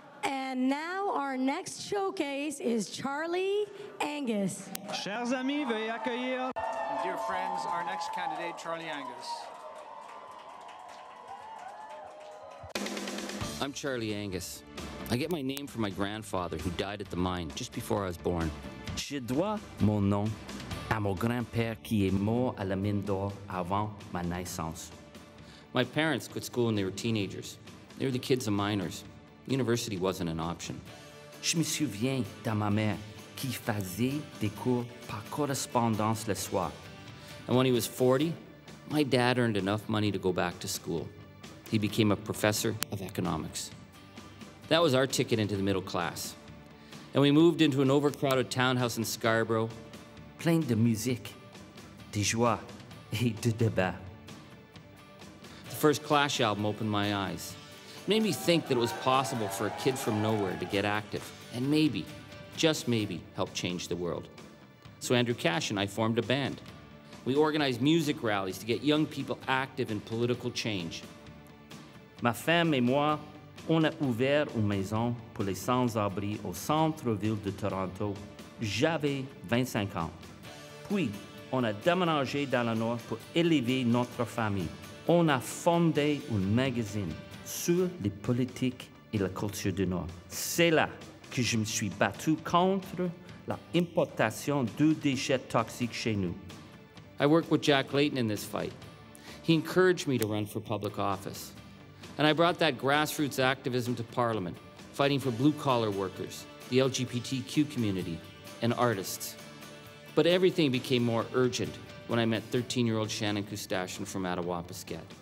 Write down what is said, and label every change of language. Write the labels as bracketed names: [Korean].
[English] And now our next showcase is Charlie Angus. [French] Chers amis, veuillez accueillir. [English] Dear friends, our next candidate, Charlie Angus. I'm Charlie Angus. I get my name from my grandfather who died at the mine just before I was born. [French] Je dois mon nom à mon grand-père qui est mort à la mine d'or avant ma naissance. [English] My parents quit school when they were teenagers. They were the kids of miners. University wasn't an option. [French] Je me souviens de ma mère qui faisait des cours par correspondance le soir. [English] And when he was 40, my dad earned enough money to go back to school. He became a professor of economics. That was our ticket into the middle class. And we moved into an overcrowded townhouse in Scarborough. [French] Plein de musique, de joie et de débat. [English] The first Clash album opened my eyes. It made me think that it was possible for a kid from nowhere to get active and maybe, just maybe, help change the world. So Andrew Cash and I formed a band. We organized music rallies to get young people active in political change. [French] Ma femme et moi, on a ouvert une maison pour les sans-abri au centre-ville de Toronto. J'avais 25 ans. Puis, on a déménagé dans le nord pour élever notre famille. On a fondé un magazine sur les politiques et la culture du Nord. C'est là que je me suis battu contre l'importation de déchets toxiques chez nous. [English] I worked with Jack Layton in this fight. He encouraged me to run for public office. And I brought that grassroots activism to Parliament, fighting for blue-collar workers, the LGBTQ community, and artists. But everything became more urgent when I met 13-year-old Shannon Kustashian from Attawapiskat.